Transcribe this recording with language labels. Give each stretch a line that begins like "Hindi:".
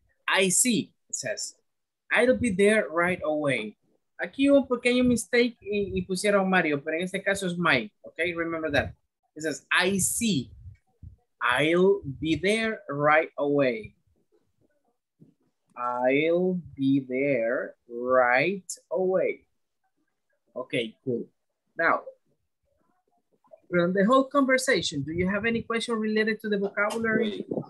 English: I see, it says, I'll be there right away.
Spanish: Aquí un pequeño mistake y pusieron Mario, pero en este caso es Mike, okay?
English: Remember that. It says, I see, I'll be there right away. I'll be there right away. Okay, cool. Now, from the whole conversation, do you have any question related to the vocabulary?